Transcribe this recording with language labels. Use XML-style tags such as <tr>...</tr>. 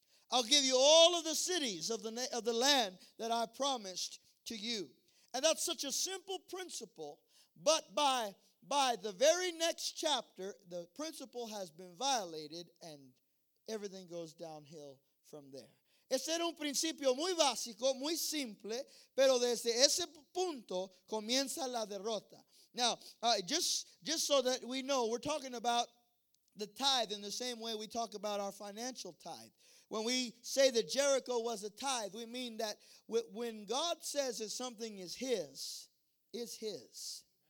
<en>I'll give you all of the cities of the land that I promised to you. And that's such a simple principle, but by the very next chapter, the principle has been violated and everything goes downhill from there.</en> <es>Ese era un principio muy básico, muy simple, pero desde ese punto comienza la derrota.</es> <en>Now, just so that we know, we're talking about the tithe in the same way we talk about our financial tithe. When we say that Jericho was a tithe, we mean that when God says that something is his, it's his.</en>